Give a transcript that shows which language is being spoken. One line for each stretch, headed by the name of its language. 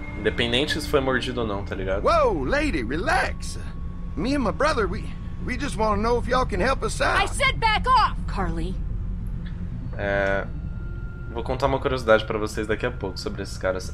Portuguese: Independente se foi mordido ou não, tá ligado?
English: Whoa, lady, relax. Me and my brother, we just want to know if y'all can help us out. I said back off, Carly.
Portuguese: Vou contar uma curiosidade pra vocês daqui a pouco sobre esses caras.